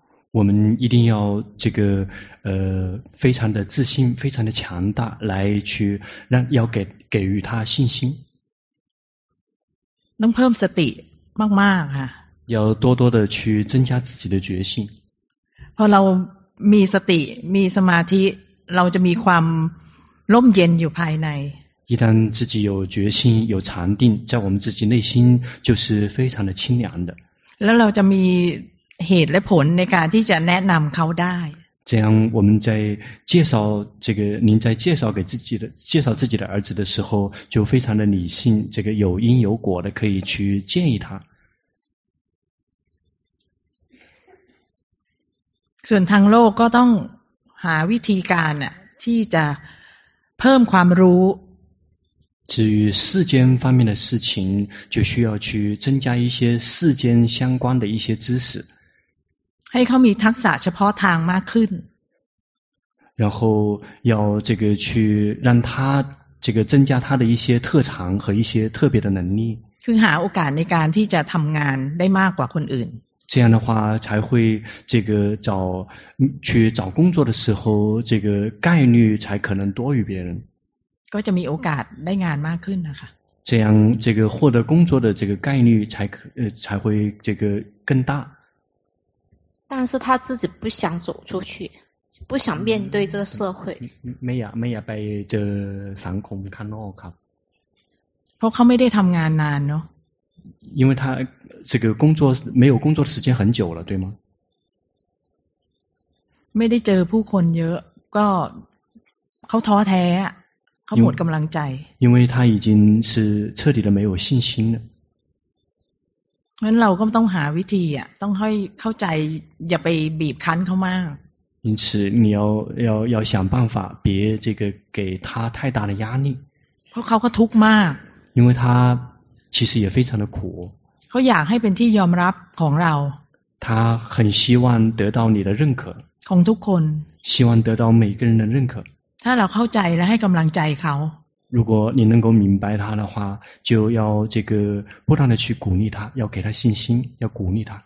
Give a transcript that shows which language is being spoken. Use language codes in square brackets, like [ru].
[zh] 我们一定要这个非常的自信，非常的强大，来去让要给予他信心。 [th] 能เพิ่มสติมากมากค่ะ [zh] 要多多的去增加自己的决心。 [th] พอเรามีสติมีสมาธิเราจะมีความร่มเย็นอยู่ภายใน [zh] 一旦自己有决心有禅定，在我们自己内心就是非常的清凉的。 [th] แล้วเราจะมีเหตุและผลในการที่จะแนะนำเขาได้ [zh] 这样我们在介绍这个您在介绍给自己的介绍自己的儿子的时候就非常的理性这个有因有果的可以去建议他 [th] ส่วนทางโลกก็ต้องหาวิธีการน่ะที่จะเพิ่มความรู้ [zh] 至于世间方面的事情就需要去增加一些世间相关的一些知识 [th] ให้เขามีทักษะเฉพาะทางมากขึ้น [zh] 然后要这个去让他这个增加他的一些特长和一些特别的能力 [th] คือหาโอกาสในการที่จะทำงานได้มากกว่าคนอื่น [zh] 这样的话才会这个找去找工作的时候这个概率才可能多于别人 [th] ก็จะมีโอกาสได้งานมากขึ้นนะคะ [zh] 这样这个获得工作的这个概率才会这个更大但是他自己不想走出去不想面对这个社会 [th] ไม่อยากไปเจอสังคมข้างนอกครับ เพราะเขาไม่ได้ทำงานนานเนาะ [zh] 因为他这个工作没有工作的时间很久了对吗 [th] ไม่ได้เจอผู้คนเยอะก็เขาท้อแท้เขาหมดกำลังใจ [zh] 因为他已经是彻底的没有信心了 [th] งั้นเราก็ต้องหาวิธีอ่ะต้องให้เข้าใจอย่าไปบีบคั้นเขามาก [zh] 因此你要想办法别这个给他太大的压力 [th] เพราะเขาก็ทุกข์มาก [zh] 因为他其实也非常的苦 [th] เขาอยากให้เป็นที่ยอมรับของเรา [zh] 他很希望得到你的认可 [th] ของทุกคน [zh] 希望得到每个人的认可 [th] ถ้าเราเข้าใจและให้กำลังใจเขา [zh] 如果你能够明白他的话就要这个不断的去鼓励他要给他信心要鼓励他